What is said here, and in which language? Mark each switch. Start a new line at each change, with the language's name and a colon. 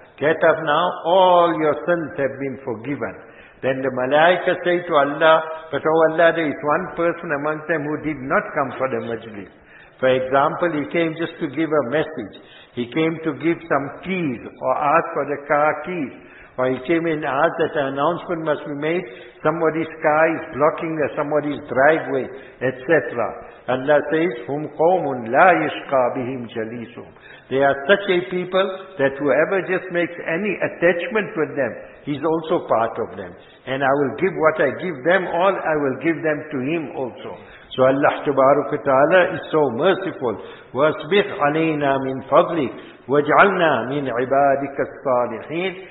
English: Get up now, all your sins have been forgiven. Then the malaika say to Allah, but oh Allah, there is one person among them who did not come for the majlis. For example, he came just to give a message. He came to give some keys or ask for the car keys. Or he came and asked that an announcement must be made. Somebody's car is blocking somebody's driveway, etc. Allah says,
Arabic: هُمْ قَوْمٌ لَا يَشْقَى بِهِمْ جَلِيسُمْ.
English: They are such a people that whoever just makes any attachment with them, he's also part of them. And I will give what I give them all, I will give them to him also. So Allah Tabaraka Ta'ala is so merciful.
Arabic: وَاسْبِحْ عَلَيْنَا مِنْ فَضْلِكَ وَاجْعَلْنَا مِنْ عِبَادِكَ الصَّالِحِينَ.